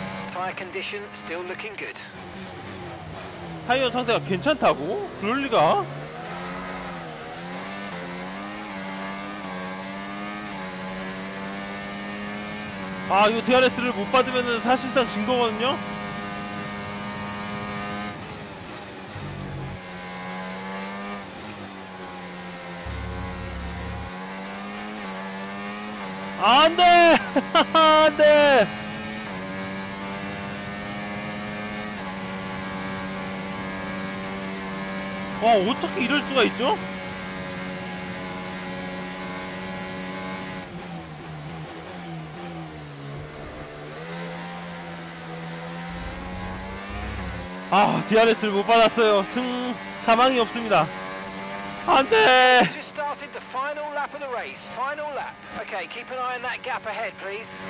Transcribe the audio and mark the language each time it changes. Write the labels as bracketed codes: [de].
[en] tire condition still looking good. [ko] 타이어 상태가 괜찮다고? 그럴 리가? 아, 이거 DRS를 못 받으면은 사실상 진 거거든요? 안 돼! 안 돼! 와, 어떻게 이럴 수가 있죠? 아, DRS를 못 받았어요. 승, 사망이 없습니다. 안 돼! [en] The final lap of the race. Final lap. Okay, keep an eye on that gap ahead, please.